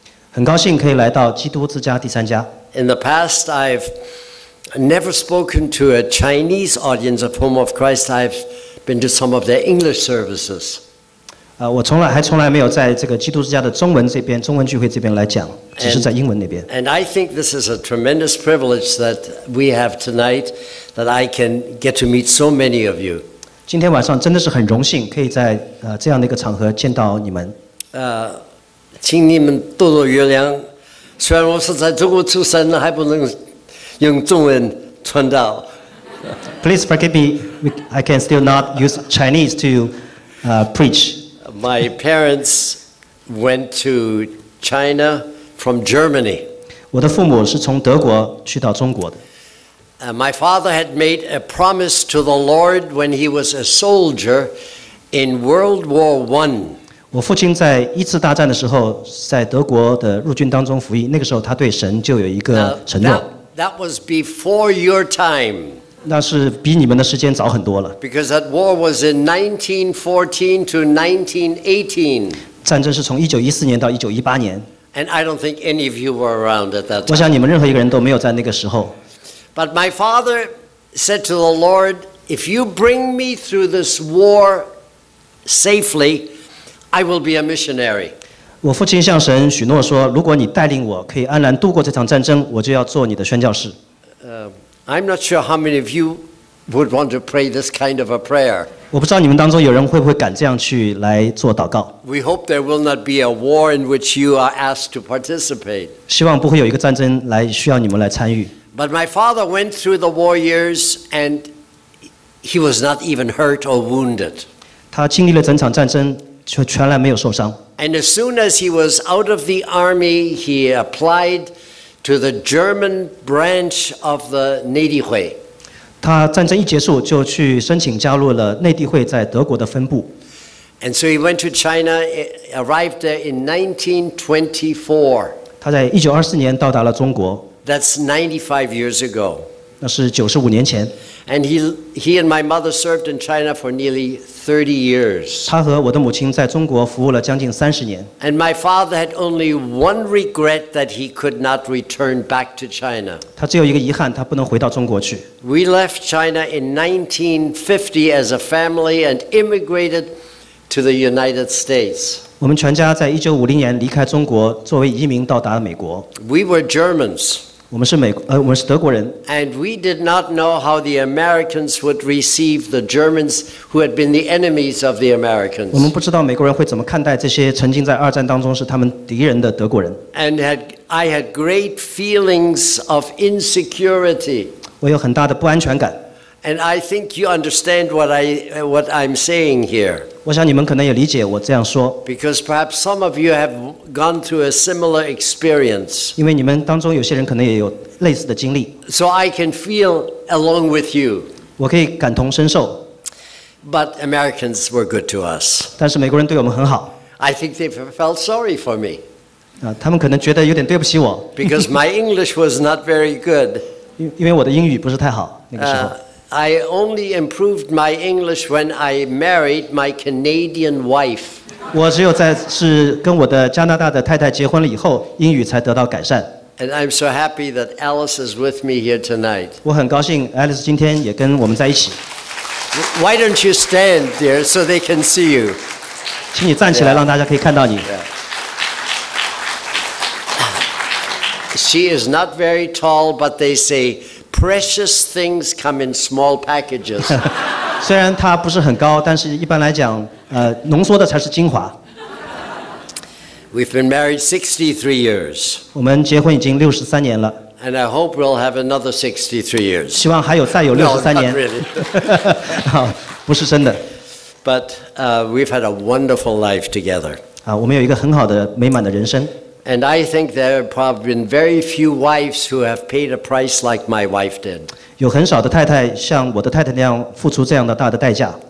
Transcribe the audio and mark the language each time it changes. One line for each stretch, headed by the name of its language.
Chinese: 很高兴可以来到基督之家第三家。
English: In the past, I've never spoken to a Chinese audience of Home of Christ. I've been to some of their English services.
Chinese: 我从来没有在这个基督之家的中文这边，中文聚会这边来讲，只是在英文那边。
English: And I think this is a tremendous privilege that we have tonight, that I can get to meet so many of you.
Chinese: 今天晚上真的是很荣幸，可以在这样的一个场合见到你们。请你们多多原谅，虽然我是在中国出生的，还不能用中文传道。
English: Please forgive me, I can still not use Chinese to preach. My parents went to China from Germany.
Chinese: 我的父母是从德国去到中国的。
English: My father had made a promise to the Lord when he was a soldier in World War I.
Chinese: 我父亲在一次大战的时候，在德国的陆军当中服役。那个时候，他对神就有一个承诺。
English: That was before your time.
Chinese: 那是比你们的时间早很多了。
English: Because that war was in 1914 to 1918.
Chinese: 战争是从1914年到1918年。
English: And I don't think any of you were around at that time.
Chinese: 我想你们任何一个人都没有在那个时候。
English: But my father said to the Lord, "If you bring me through this war safely." I will be a missionary.
Chinese: 我父亲向神许诺说，如果你带领我可以安然度过这场战争，我就要做你的宣教士。
English: I'm not sure how many of you would want to pray this kind of a prayer.
Chinese: 我不知道你们当中有人会不会敢这样去来做祷告。
English: We hope there will not be a war in which you are asked to participate.
Chinese: 希望不会有一个战争来需要你们来参与。
English: But my father went through the war years and he was not even hurt or wounded.
Chinese: 他经历了整场战争。全然没有受伤。
English: And as soon as he was out of the army, he applied to the German branch of the 内地会。
Chinese: 他战争一结束就去申请加入了内地会在德国的分部。
English: And so he went to China, arrived there in 1924.
Chinese: 他在1924年到达了中国。
English: That's 95 years ago.
Chinese: 那是95年前。
English: And he and my mother served in China for nearly 30 years.
Chinese: 他和我的母亲在中国服务了将近30年。
English: And my father had only one regret that he could not return back to China.
Chinese: 他只有一个遗憾，他不能回到中国去。
English: We left China in 1950 as a family and immigrated to the United States.
Chinese: 我们全家在1950年离开中国，作为移民到达了美国。
English: We were Germans.
Chinese: 我们是德国人。
English: And we did not know how the Americans would receive the Germans who had been the enemies of the Americans.
Chinese: 我们不知道美国人会怎么看待这些曾经在二战当中是他们敌人的德国人。
English: And I had great feelings of insecurity.
Chinese: 我有很大的不安全感。
English: And I think you understand what I'm saying here.
Chinese: 我想你们可能也理解我这样说。
English: Because perhaps some of you have gone through a similar experience.
Chinese: 因为你们当中有些人可能也有类似的经历。
English: So I can feel along with you.
Chinese: 我可以感同身受。
English: But Americans were good to us.
Chinese: 但是美国人对我们很好。
English: I think they felt sorry for me.
Chinese: 他们可能觉得有点对不起我。
English: Because my English was not very good.
Chinese: 因为我的英语不是太好，那个时候。
English: I only improved my English when I married my Canadian wife.
Chinese: 我只有在是跟我的加拿大的太太结婚了以后，英语才得到改善。
English: And I'm so happy that Alice is with me here tonight.
Chinese: 我很高兴 Alice 今天也跟我们在一起。
English: Why don't you stand there so they can see you?
Chinese: 请你站起来，让大家可以看到你。
English: She is not very tall, but they say. Precious things come in small packages.
Chinese: 虽然它不是很高，但是一般来讲，浓缩的才是精华。
English: We've been married 63 years.
Chinese: 我们结婚已经63年了。
English: And I hope we'll have another 63 years.
Chinese: 希望还有再有63年。
English: No, not really.
Chinese: 不是真的。
English: But we've had a wonderful life together.
Chinese: 我们有一个很好的美满的人生。
English: And I think there have probably been very few wives who have paid a price like my wife did.
Chinese: 有很少的太太像我的太太那样付出这样的大的代价。